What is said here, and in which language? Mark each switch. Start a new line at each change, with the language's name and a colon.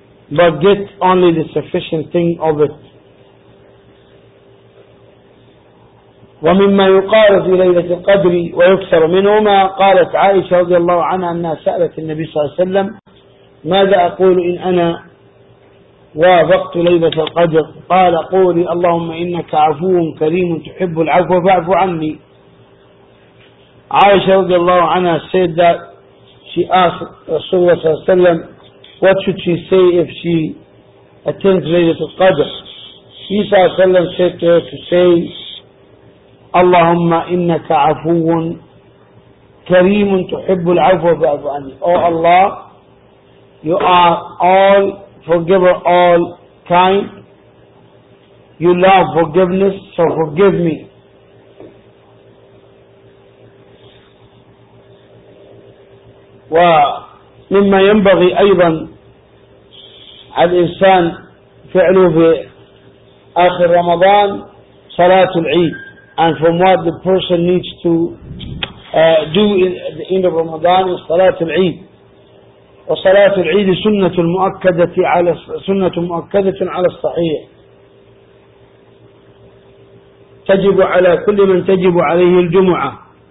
English: But get only the sufficient thing of it.
Arabic: وَمِمَّا يُقَالَ فِي لَيْلَةِ الْقَدْرِ وَيُكْثَرُ مِنْهُمَا قَالَتْ عَائِشَ رضي الله عنها أنها سألت النبي صلى الله عليه وسلم ماذا أقول إن أنا وافقت ليلة القدر؟ قال قولي اللهم إنك عفو كريم تحب العفو فاعف عني.
English: عائشة رضي الله عنها said that she asked رسول الله صلى الله عليه وسلم what should she say if she attends ليلة القدر.
Arabic: He صلى الله عليه وسلم
English: said to her to say
Arabic: اللهم إنك عفو كريم تحب العفو فاعف عني.
English: Oh Allah, you are all forgiver, all kind, you love forgiveness, so forgive me.
Arabic: ومما ينبغي أيضا الإنسان فعله في آخر رمضان صلاة العيد.
English: And from what the person needs to do in the end of Ramadan is صلاة العيد.
Arabic: وصلاة العيد سنة مؤكدة على سنة مؤكدة على الصحيح. تجب على كل من تجب عليه الجمعة.